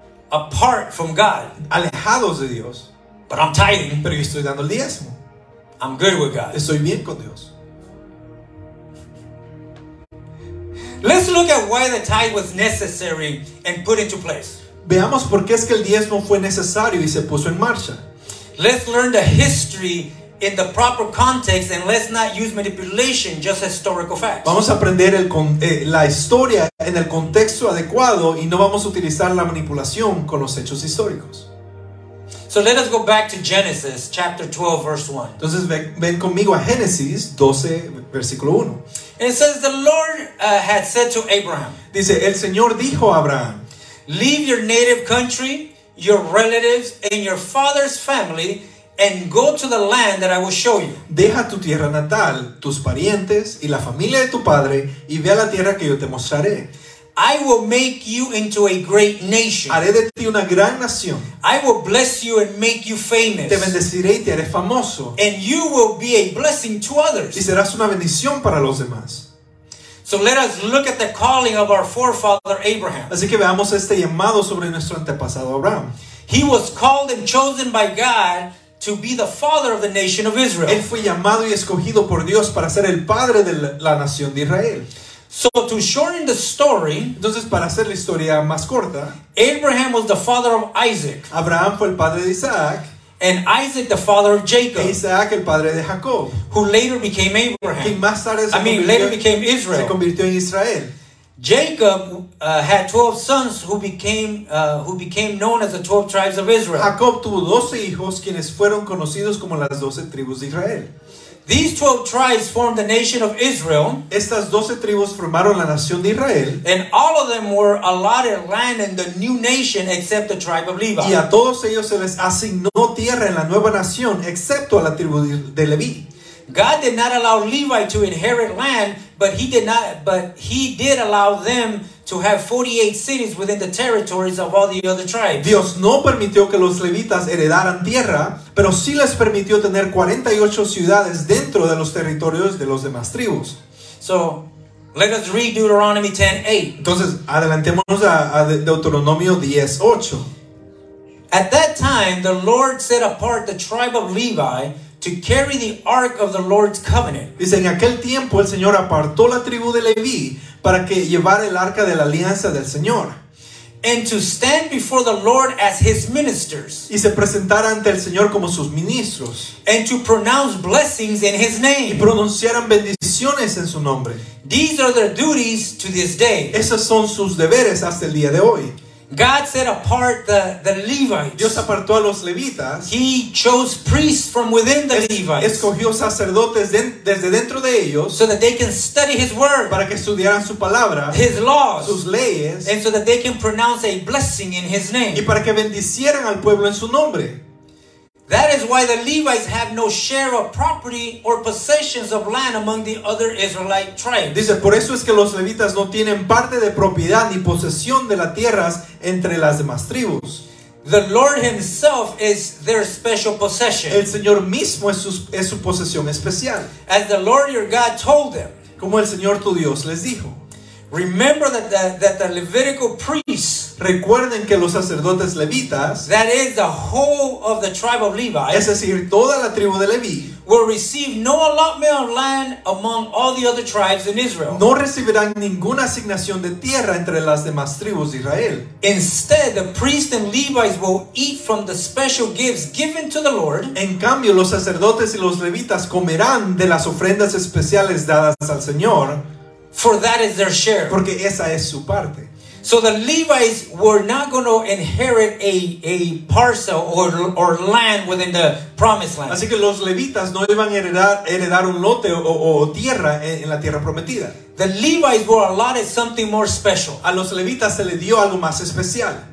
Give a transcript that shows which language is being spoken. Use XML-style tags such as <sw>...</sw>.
<en>Apart from God.</en> <es>Alejados de Dios.</es> <en>But I'm tithing.</en> <es>Pero yo estoy dando el diezmo.</es> <en>I'm good with God.</en> <es>Estoy bien con Dios.</es> <en>Let's look at why the tithe was necessary and put into place.</en> <es>Veamos por qué es que el diezmo fue necesario y se puso en marcha.</es> <en>Let's learn the history in the proper context and let's not use manipulation, just historical facts.</en> <es>Vamos a aprender la historia en el contexto adecuado y no vamos a utilizar la manipulación con los hechos históricos.</es> <en>So let us go back to Genesis chapter 12 verse 1.</en> <es>Entonces ven conmigo a Génesis 12 versículo 1.</es> <en>It says the Lord had said to Abraham.</en> <es>Dice el Señor dijo a Abraham.</es> <en>Leave your native country, your relatives and your father's family and go to the land that I will show you.</en> <es>Deja tu tierra natal, tus parientes y la familia de tu padre y ve a la tierra que yo te mostraré.</es> <en>I will make you into a great nation.</en> <es>Haré de ti una gran nación.</es> <en>I will bless you and make you famous.</en> <es>Te bendeciré y te haré famoso.</es> <en>And you will be a blessing to others.</en> <es>Y serás una bendición para los demás.</es> <en>So let us look at the calling of our forefather Abraham.</en> <es>Así que veamos este llamado sobre nuestro antepasado Abraham.</es> <en>He was called and chosen by God to be the father of the nation of Israel.</en> <es>Él fue llamado y escogido por Dios para ser el padre de la nación de Israel.</es> <en>So to shorten the story,</en> <es>entonces para hacer la historia más corta,</es> <en>Abraham was the father of Isaac.</en> <es>Abraham fue el padre de Isaac.</es> <en>And Isaac the father of Jacob.</en> <es>Isaac el padre de Jacob.</es> <en>Who later became Abraham.</en> <es>Y más tarde</es> <en>later became Israel.</en> <es>Se convirtió en Israel.</es> <en>Jacob had 12 sons who became known as the 12 tribes of Israel.</en> <es>Jacob tuvo 12 hijos quienes fueron conocidos como las 12 tribus de Israel.</es> <en>These 12 tribes formed the nation of Israel.</en> <es>Estas 12 tribus formaron la nación de Israel.</es> <en>And all of them were allotted land in the new nation except the tribe of Levi.</en> <es>Y a todos ellos se les asignó tierra en la nueva nación excepto a la tribu de Leví.</es> <en>God did not allow Levi to inherit land, but he did allow them to have 48 cities within the territories of all the other tribes.</en> <es>Dios no permitió que los levitas heredaran tierra, pero sí les permitió tener 48 ciudades dentro de los territorios de los demás tribus.</es> <en>So, let us read Deuteronomy 10:8.</en> <es>Entonces, adelantémonos a Deuteronomio 10:8.</es> <en>At that time, the Lord set apart the tribe of Levi to carry the ark of the Lord's covenant.</en> <es>Dice, en aquel tiempo el Señor apartó la tribu de Leví para que llevara el arca de la alianza del Señor.</es> <en>And to stand before the Lord as his ministers.</en> <es>Y se presentara ante el Señor como sus ministros.</es> <en>And to pronounce blessings in his name.</en> <es>Y pronunciaran bendiciones en su nombre.</es> <en>These are their duties to this day.</en> <es>Esos son sus deberes hasta el día de hoy.</es> <en>God set apart the Levites.</en> <es>Dios apartó a los levitas.</es> <en>He chose priests from within the Levites.</en> <es>Escogió sacerdotes desde dentro de ellos.</es> <en>So that they can study his word.</en> <es>Para que estudiaran su palabra.</es> <en>His laws.</en> <es>Sus leyes.</es> <en>And so that they can pronounce a blessing in his name.</en> <es>Y para que bendicieran al pueblo en su nombre.</es> <en>That is why the Levites have no share of property or possessions of land among the other Israelite tribes.</en> <es>Dice, por eso es que los levitas no tienen parte de propiedad ni posesión de las tierras entre las demás tribus.</es> <en>The Lord himself is their special possession.</en> <es>El Señor mismo es su posesión especial.</es> <en>As the Lord your God told them.</en> <es>Como el Señor tu Dios les dijo.</es> <en>Remember that the Levitical priests,</en> <es>recuerden que los sacerdotes levitas,</es> <en>that is the whole of the tribe of Levi,</en> <es>es decir, toda la tribu de Leví,</es> <en>will receive no allotment of land among all the other tribes in Israel.</en> <es>No recibirán ninguna asignación de tierra entre las demás tribus de Israel.</es> <en>Instead, the priests and Levites will eat from the special gifts given to the Lord.</en> <es>En cambio, los sacerdotes y los levitas comerán de las ofrendas especiales dadas al Señor.</es> <en>For that is their share.</en> <es>Porque esa es su parte.</es> <en>So the Levites were not going to inherit a parcel or land within the promised land.</en> <es>Así que los levitas no iban a heredar un lote o tierra en la tierra prometida.</es> <en>The Levites were allotted something more special.</en> <es>A los levitas se les dio algo más especial.</es>